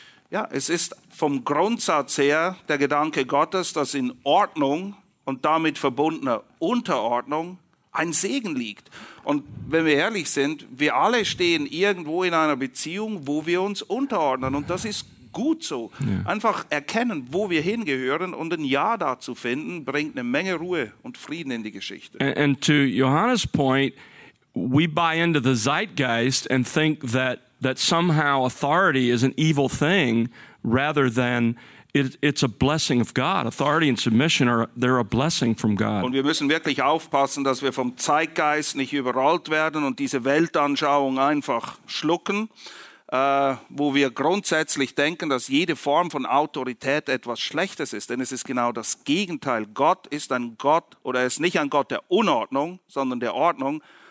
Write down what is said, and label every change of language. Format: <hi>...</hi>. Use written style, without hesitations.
<de>Yeah, es ist vom Grundsatz her der Gedanke Gottes, dass in Ordnung und damit verbundener Unterordnung ein Segen liegt. Und wenn wir ehrlich sind, wir alle stehen irgendwo in einer Beziehung, wo wir uns unterordnen. Und das ist gut so. Ja. Einfach erkennen, wo wir hingehören und ein Ja dazu finden, bringt eine Menge Ruhe und Frieden in die Geschichte.</de> <en>And to Johannes' point, we buy into the Zeitgeist and think that somehow authority is an evil thing, rather than it's a blessing of God. Authority and submission they're a blessing from God.</en> <de>Und wir müssen wirklich aufpassen, dass wir vom Zeitgeist nicht überrollt werden und diese Weltanschauung einfach schlucken, wo wir grundsätzlich denken, dass jede Form von Autorität etwas Schlechtes ist. Denn es ist genau das Gegenteil. Gott ist ein Gott, oder er ist nicht ein Gott der Unordnung, sondern der Ordnung.</de>